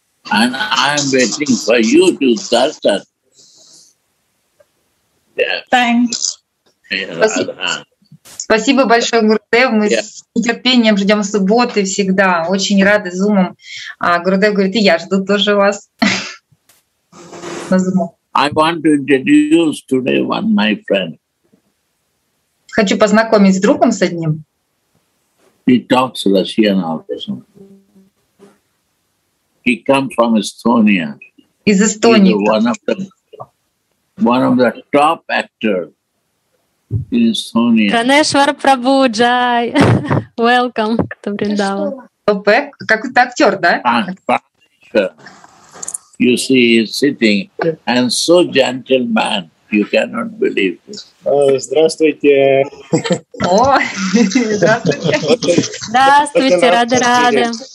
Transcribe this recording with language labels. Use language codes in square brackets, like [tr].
[en] And I'm waiting for you to start that. Thanks. [ru] Спасибо большое, Гурудев. Мы с нетерпением ждем субботы всегда. Очень рады зумам. А Гурудев говорит, и я жду тоже вас на зуму. [en] I want to introduce today one my friend. [ru] Хочу познакомить с другом с одним. [en] He talks Russian also. He comes from Estonia. [ru] Из Эстонии. [en] One of the top actors. [ru] Ганешвар Прабу, джай! [en] Welcome to Vrindavan. [ru] Топ-эк, как это актер, да? [en] You see, he's sitting and so gentleman, you cannot believe this. [ru] Здравствуйте! О, здравствуйте! Здравствуйте, рады-рады!